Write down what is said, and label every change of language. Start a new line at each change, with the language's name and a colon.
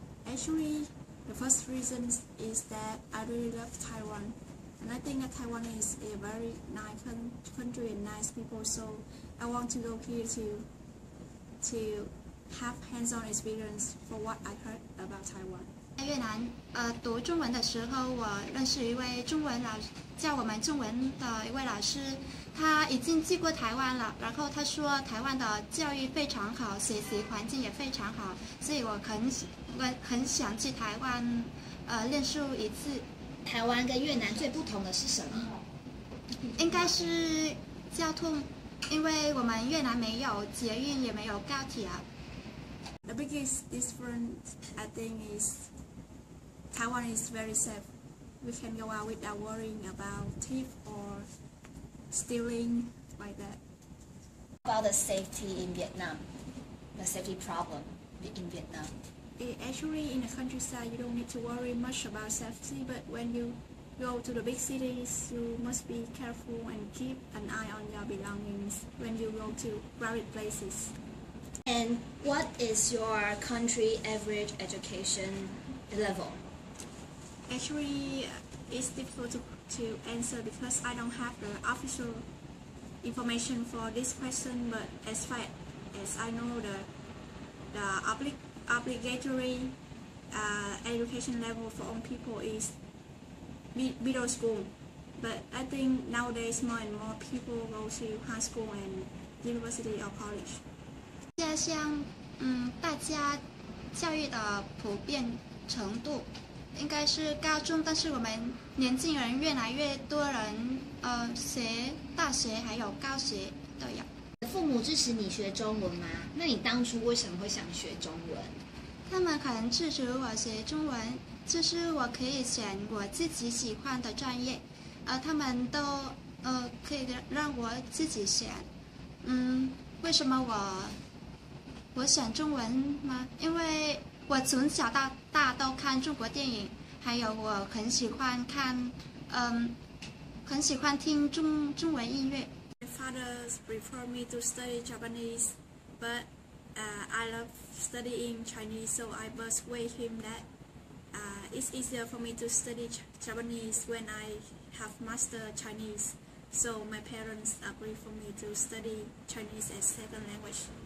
English: Actually, the first reason is that I really love Taiwan, and I think that Taiwan is a very nice country and nice people, so I want to go here to have hands-on experience for what I heard about Taiwan.
Chinese: 在越南，读中文的时候，我认识一位中文老教我们中文的一位老师，他已经去过台湾了，然后他说台湾的教育非常好，学习环境也非常好，所以我很想去台湾，念书一次。台湾跟越南最不同的是什么？应该是交通，因为我们越南没有捷运，也没有高铁。
English: The biggest difference, I think, is Taiwan is very safe. We can go out without worrying about thief or stealing like that. How about the safety in Vietnam? The safety problem in Vietnam? Actually, in the countryside, you don't need to worry much about safety, but when you go to the big cities, you must be careful and keep an eye on your belongings when you go to crowded places. And what is your country average education level? Actually, it's difficult to answer because I don't have the official information for this question, but as far as I know, the obligatory education level for all people is middle school, but I think nowadays more and more people go to high school and university or college.
Chinese: 现在像大家教育的普遍程度应该是高中，但是我们年轻人越来越多人学大学还有高学都有。父母支持你学中文吗？那你当初为什么会想学中文？他们可能支持我学中文，就是我可以选我自己喜欢的专业，他们都可以让我自己选。为什么我选中文吗？因为我从小到大都看中国电影，还有我很喜欢看，很喜欢听中文音乐。
English: My father prefer me to study Japanese, but I love studying Chinese, so I persuade him that it's easier for me to study Japanese when I have mastered Chinese. So my parents agree for me to study Chinese as second language.